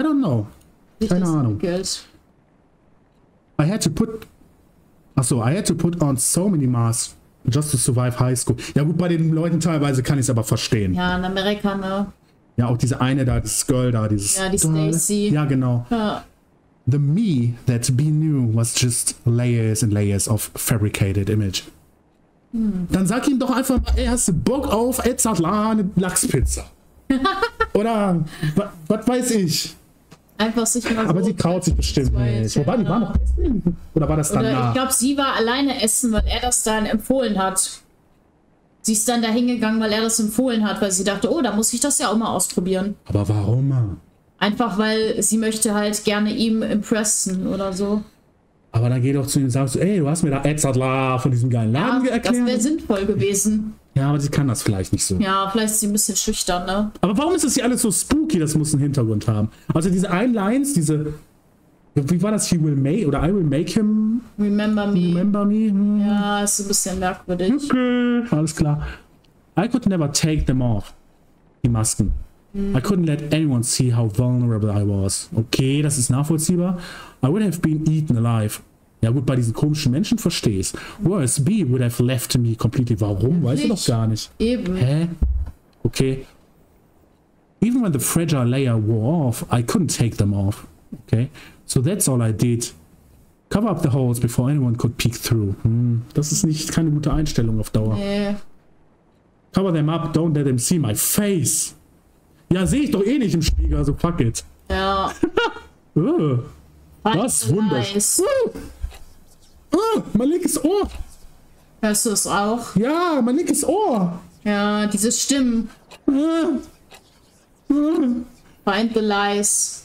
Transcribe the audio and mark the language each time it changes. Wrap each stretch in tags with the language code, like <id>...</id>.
<en>I don't know.</en> <de>Keine Ahnung. Geld.</de> <en>I had to put on so many masks just to survive high school.</en> <de>Ja gut, bei den Leuten teilweise kann ich es aber verstehen. Ja, in Amerika, ne? Ja, auch diese eine da, das Girl da, dieses... Ja, die Stacy. Ja, genau. Ja.</de> <en>The me that be new was just layers and layers of fabricated image.</en> <de>Dann sag ihm doch einfach mal, ey, hast du Bock auf Edzardlane Lachspizza? Oder was weiß ich? Einfach sich mal. Aber so sie traut sich bestimmt nicht. Wobei, die war noch essen? Oder war das dann? Ich glaube, sie war alleine essen, weil er das dann empfohlen hat. Sie ist dann da hingegangen, weil er das empfohlen hat, weil sie dachte, oh, da muss ich das ja auch mal ausprobieren. Aber warum? Einfach, weil sie möchte halt gerne ihm impressen oder so. Aber dann geh doch zu ihm und sagst du, ey, du hast mir da Edzardla von diesem geilen Laden erklärt. Das wäre sinnvoll gewesen. Ja, aber sie kann das vielleicht nicht so. Ja, vielleicht ist sie ein bisschen schüchtern, ne? Aber warum ist das hier alles so spooky? Das muss einen Hintergrund haben. Also diese Einlines, diese... Wie war das?</de> <en>He will make... Oder I will make him... Remember me. Remember me. Hm.</en> <de>Ja, ist ein bisschen merkwürdig.</de> <en>Okay,</en> <de>alles klar.</de> <en>I could never take them off.</en> <de>Die Masken.</de> <en>I couldn't let anyone see how vulnerable I was. Okay,</en> <de>das ist nachvollziehbar.</de> <en>I would have been eaten alive.</en> <de>Ja gut, bei diesen komischen Menschen verstehe ich's.</de> <en>Worse, B would have left me completely.</en> <de>Warum? Weiß ich doch gar nicht. Eben. Hä? Okay.</de> <en>Even when the fragile layer wore off, I couldn't take them off. Okay. So that's all I did. Cover up the holes before anyone could peek through. Hm.</en> <de>Das ist nicht keine gute Einstellung auf Dauer. Nee.</de> <en>Cover them up, don't let them see my face.</en> <de>Ja, sehe ich doch eh nicht im Spiegel, also fuck it. Ja. Was wunderschön.</de> <en>Nice.</en> <de>Mein linkes Ohr. Hörst du es auch? Ja, mein linkes Ohr. Ja, diese Stimmen.</de> <en>Find the lies.</en>